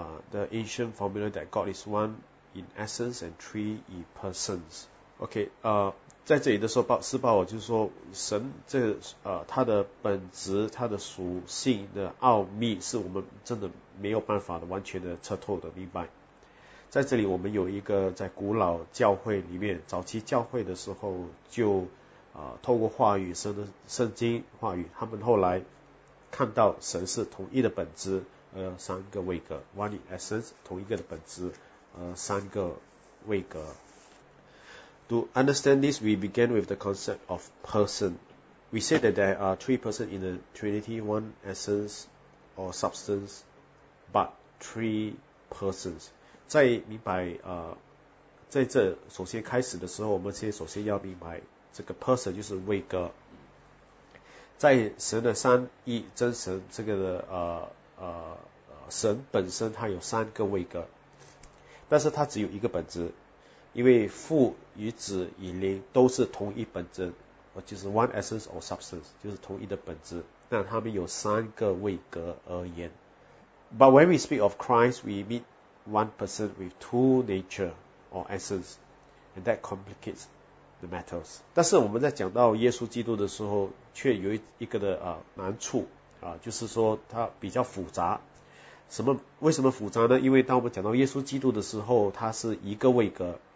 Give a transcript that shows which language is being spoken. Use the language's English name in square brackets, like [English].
[English] The ancient formula that God is one in essence and three in persons. Okay, [Chinese] 在这里的时候施暴我就是说神这他的本质他的属性的奥秘是我们真的没有办法的完全的彻透的明白。在这里我们有一个在古老教会里面早期教会的时候就透过话语神的圣经话语他们后来看到神是同一的本质三个位格 [English] One in essence [Chinese] 同一个的本质三个位格。 [English] To understand this, we begin with the concept of person. We say that there are three persons in the Trinity, one essence or substance, but three persons. [Chinese] 在明白在这首先开始的时候，我们先首先要明白这个 person 就是位格。在神的三一真神这个的神本身它有三个位格，但是它只有一个本质。因为父与子与灵都是同一本质，就是 [English] one essence or substance， [Chinese] 就是同一的本质。那他们有三个位格而言。 [English] But when we speak of Christ, we meet one person with two nature or essence, and that complicates the matters. [Chinese] 但是我们在讲到耶稣基督的时候，却有一个的难处就是说它比较复杂。为什么复杂呢？因为当我们讲到耶稣基督的时候，它是一个位格。